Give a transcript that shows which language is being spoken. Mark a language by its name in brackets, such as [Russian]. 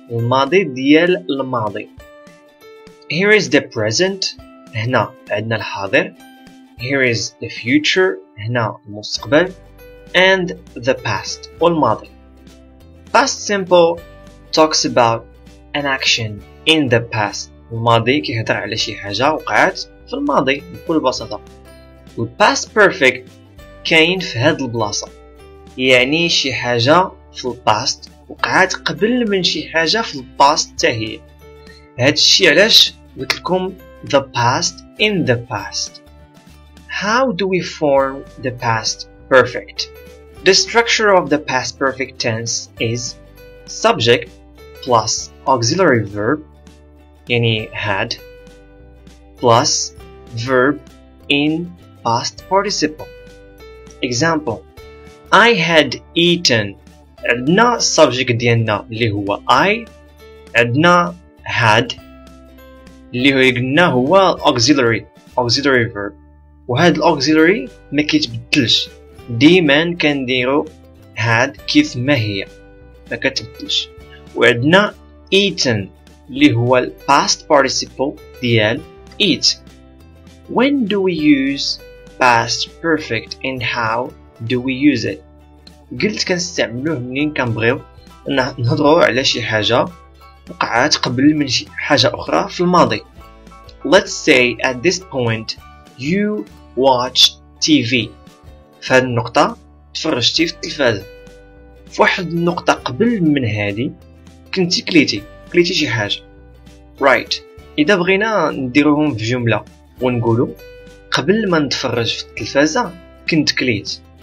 [Arabic] الماضي ديال الماضي. [English] Here is the present. [Arabic] هنا عندنا الحاضر. [English] Here is the future. [Arabic] هنا المستقبل. [English] And the past, والماضي. Past simple talks about an action in the past. [Arabic] الماضي كيهضر على شي حاجة وقعت في الماضي بكل بساطة. والpast perfect كاين في هاد البلاصة. يعني شي حاجة في الباست وقعت قبل من شي حاجة في الباست تاهي. هاد الشي علاش قلت لكم [English] the past in the past. How do we form the past perfect? The structure of the past perfect tense is subject plus auxiliary verb, yani had, plus verb in past participle. Example, I had eaten, [Arabic] عندنا subject ديالنا اللي هو I, عندنا had, اللي هو قلنا هو auxiliary verb, وهاد auxiliary ما كيتبدلش. ديما كنديرو had كيف ما هي ما كتبدلش. وعندنا eaten اللي هو ال past participle ديال eat. [English] When do we use past perfect and how do we use it? [Arabic] قلت كنستعملوه منين كنبغيو نهضرو على شي حاجة وقعات قبل من شي حاجة أخرى في الماضي. [English] Let's say at this point you watch TV. [Arabic] في هذه النقطة تفرجتي في التلفاز. في واحد النقطة قبل من هذه كنتي كليتي شي حاجة. [English] Right. [Arabic] إذا بغينا نديرهم في جملة ونقوله قبل ما نتفرج في التلفازة كنت كليت.